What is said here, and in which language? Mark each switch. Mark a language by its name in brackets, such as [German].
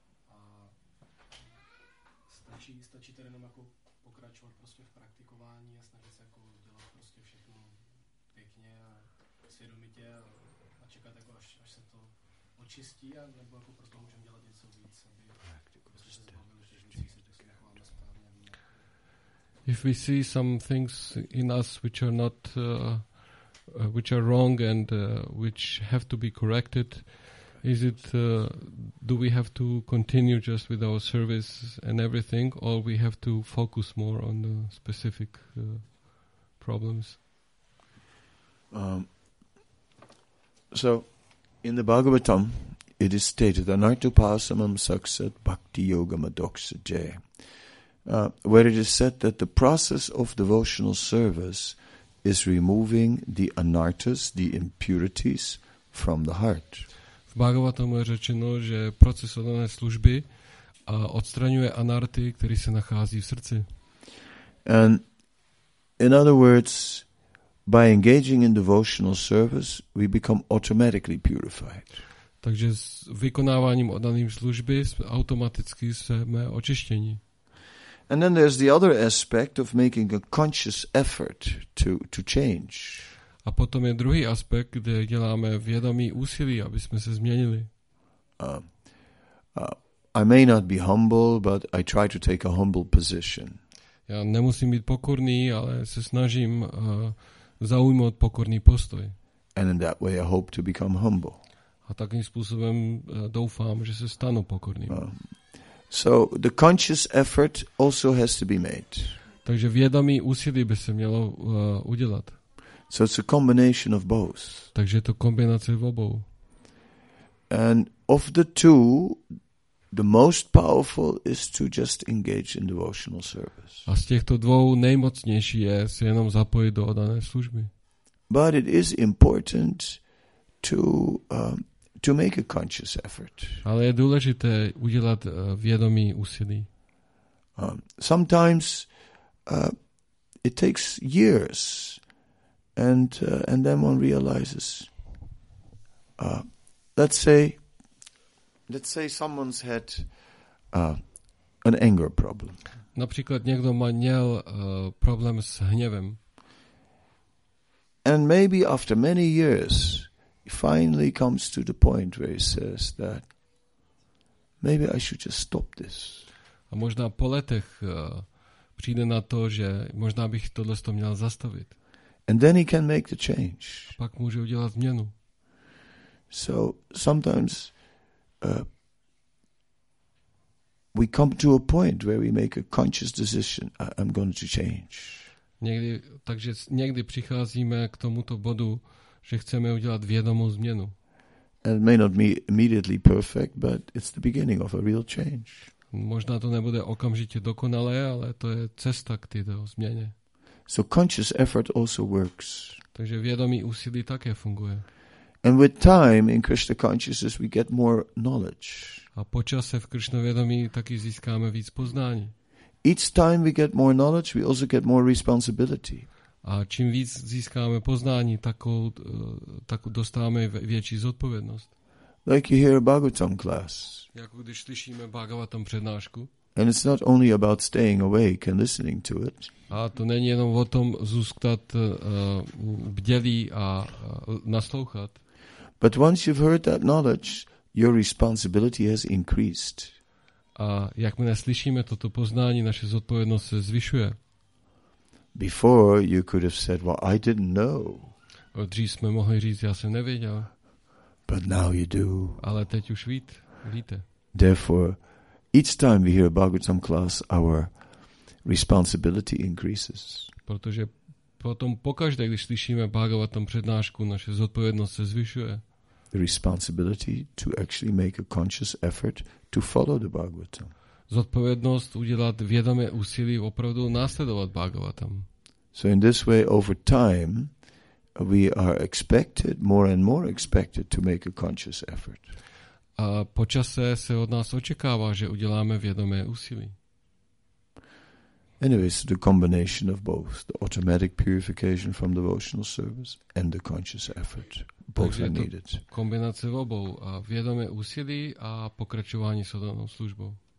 [Czech] A stačí tady jenom jako pokračovat prostě v praktikování a snažit se jako dělat prostě všechno pěkně a svědomitě a čekat jako až se to očistí a nebo jako prostě můžeme dělat něco víc, aby prostě se zbavili, že věci se prostě nechováme správně. [English] If we see some things in us which are not which are wrong and which have to be corrected, is it do we have to continue just with our service and everything, or we have to focus more on the specific problems? So in the Bhagavatam it is stated [Sanskrit] anartupasamam saksat bhakti yoga madoksa jay, [English] where it is said that the process of devotional service is removing the anartas, the impurities from the heart. [Czech] V Bhagavatamu je řečeno, že proces oddané služby odstraňuje anarty, které se nachází v srdci. [English] And in other words, by engaging in devotional service, we become automatically purified. [Czech] Takže s vykonáváním oddané služby automaticky jsme očištěni. [English] And then there's the other aspect of making a conscious effort to change. [Czech] A potom je druhý aspekt, kde děláme vědomý úsilí, aby jsme se změnili. [English] I may not be humble, but I try to take a humble position. [Czech] Já nemusím být pokorný, ale se snažím zaujmout pokorný postoj. [English] And in that way I hope to become humble. [Czech] A takým způsobem doufám, že se stanu pokorným. [English] So the conscious effort also has to be made. [Czech] Takže vědomý úsilí by se mělo udělat. [English] So it's a combination of both. [Czech] Takže je to kombinace v obou. [English] And of the two, the most powerful is to just engage in devotional service. [Czech] A z těchto dvou nejmocnější je se jenom zapojit do oddané služby. [English] But it is important to make a conscious effort. [Czech] Ale je důležité udělat vědomý úsilí. [English] Sometimes it takes years, and then one realizes. Let's say someone's had an anger problem. [Czech] Například někdo měl problém s hněvem. [English] And maybe after many years, he finally comes to the point where he says that maybe I should just stop this. [Czech] A možná po letech přijde na to, že možná bych tohle to měl zastavit. [English] And then he can make the change. [Czech] A pak může udělat změnu. [English] So sometimes we come to a point where we make a conscious decision. I'm going to change. [Czech] Takže někdy přicházíme k tomuto bodu, že chceme udělat vědomou změnu. [English] It may not be immediately perfect, but it's the beginning of a real change. [Czech] Možná to nebude okamžitě dokonalé, ale to je cesta k této změně. [English] So conscious effort also works. [Czech] Takže vědomý úsilí také funguje. [English] And with time in Krishna consciousness we get more knowledge. [Czech] A po čase v Krishna vědomí taky získáme víc poznání. [English] Each time we get more knowledge, we also get more responsibility. [Czech] A čím víc získáme poznání, tak dostáváme větší zodpovědnost. [English] Like you hear a Bhagavatam class. [Czech] Jako když slyšíme Bhagavatam přednášku. [English] And it's not only about staying awake and listening to it. [Czech] A to není jenom o tom zůstat bdělý a naslouchat. [English] But once you've heard that knowledge, your responsibility has increased. [Czech] A jak my neslyšíme toto poznání, naše zodpovědnost se zvyšuje. [English] Before you could have said, well, I didn't know. [Czech] Dřív jsme mohli říct, já jsem nevěděl. [English] But now you do. [Czech] Ale teď už víte. [English] Therefore, each time we hear a Bhagavatam class, our responsibility increases. [Czech] Protože potom pokaždé, když slyšíme Bhagavatam přednášku, naše zodpovědnost se zvyšuje. [English] The responsibility to actually make a conscious effort to follow the Bhagavatam. [Czech] Zodpovědnost udělat vědomé úsilí opravdu následovat Bhagavatam. [English] So in this way, over time, we are expected, more and more expected, to make a conscious effort. [Czech] A po čase se od nás očekává, že uděláme vědomé úsilí. [English] Anyway, so the combination of both, the automatic purification from devotional service and the conscious effort. Both are needed. [Czech] Kombinace v obou, vědomé úsilí a pokračování s odanou službou.